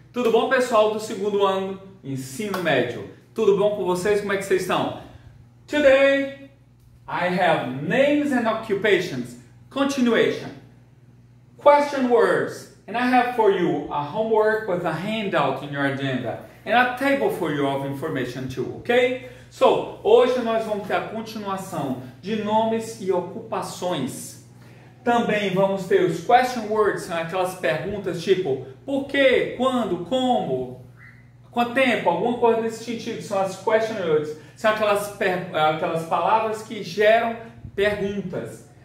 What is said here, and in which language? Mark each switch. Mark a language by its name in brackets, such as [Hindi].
[Portuguese] Tudo bom, pessoal do segundo ano, ensino médio? Tudo bom com vocês? Como é que vocês estão? [English] Today, I have names and occupations, continuation, question words, and I have for you a homework with a handout in your agenda, and a table for you of information too, ok? [Portuguese] So, hoje nós vamos ter a continuação de nomes e ocupações. Também vamos ter os question words, são aquelas perguntas tipo por quê, quando, como, quanto tempo, alguma coisa nesse sentido. São as question words, são aquelas palavras que geram perguntas.